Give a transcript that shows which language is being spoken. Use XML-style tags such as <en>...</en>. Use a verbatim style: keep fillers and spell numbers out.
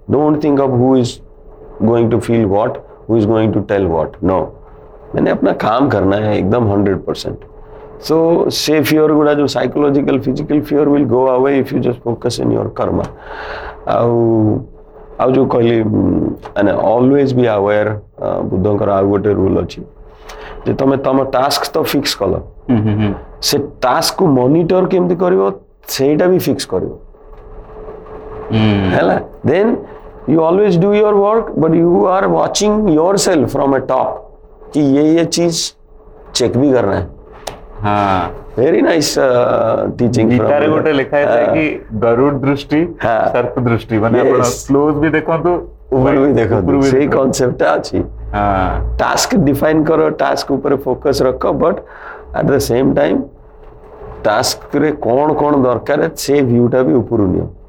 <en>Don't think of who is going to feel what, who is going to tell what. No.</en> <hi>मैंने अपना काम करना है एकदम</hi> <en>one hundred percent. So, say fear गुड़ा जो psychological, physical fear will go away if you just focus in your karma.</en> <or>आउ आउ जो कहली</or> <en>and always be aware</en> <or>बुद्धଙ୍କର ଆଉ ଗୋଟେ rule ଅଛି ଯେ ତମେ ତମ task ତ fix କଲ ସେ task କୁ monitor କେମିତି କରିବ ସେଇଟା ବି fix କରିବ Mm.</or> <en>Then you always do your work, but you are watching yourself from a top.</en> <hi>कि ये ये चीज चेक भी करना है</hi> <en>very nice uh, teaching from</en> <or>ଗୀତାରେ ଗୋଟେ ଲେଖା ହେଇଥାଏ କି ଗରୁଡ ଦୃଷ୍ଟି ସର୍ପ ଦୃଷ୍ଟି ମାନେ ଆପଣ କ୍ଲୋଜ ବି ଦେଖନ୍ତୁ ଉପରୁ ବି ଦେଖନ୍ତୁ ସେଇ କନସେପ୍ଟଟା ଅଛି। ଟାସ୍କ ଡିଫାଇନ୍ କର, ଟାସ୍କ ଉପରେ ଫୋକସ୍ ରଖ, but at the same time ଟାସ୍କରେ କ'ଣ କ'ଣ ଦରକାର ସେ ଭିୟୁଟା ବି ଉପରୁ ନିଅ।</or>